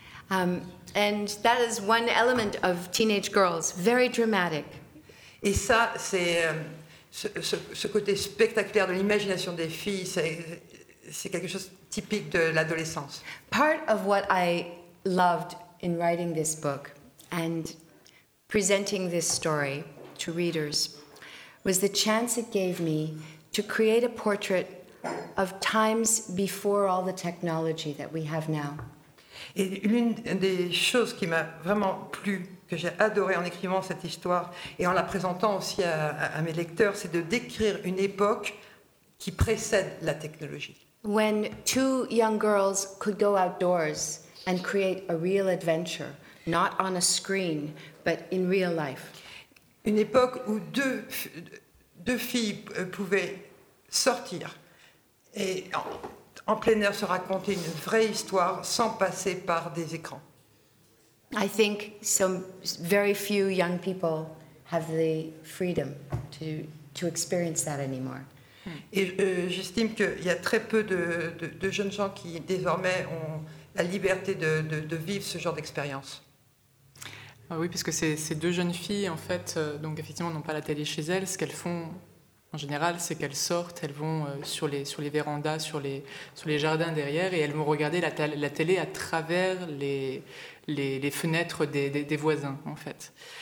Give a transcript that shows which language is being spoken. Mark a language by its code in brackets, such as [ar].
[en] And that is one element of teenage girls, very dramatic. [fr] Et ça, c'est ce côté spectaculaire de l'imagination des filles, c'est quelque chose de typique de l'adolescence. [en] Part of what I loved in writing this book and presenting this story to readers was the chance it gave me to create a portrait of times before all the technology that we have now. [fr] Et l'une des choses qui m'a vraiment plu, que j'ai adoré en écrivant cette histoire et en la présentant aussi à mes lecteurs, c'est de décrire une époque qui précède la technologie. [en] When two young girls could go outdoors and create a real adventure, not on a screen, but in real life. [fr] Une époque où deux filles pouvaient sortir et en plein air se raconter une vraie histoire sans passer par des écrans. [en] I think some very few young people have the freedom to experience that anymore. [fr] Et j'estime qu'il y a très peu de jeunes gens qui désormais ont la liberté de vivre ce genre d'expérience. Oui, parce que ces deux jeunes filles, en fait, donc effectivement, n'ont pas la télé chez elles. Ce qu'elles font en général, c'est qu'elles sortent, elles vont sur les vérandas, sur les jardins derrière, et elles vont regarder la télé à travers les fenêtres des voisins, en fait.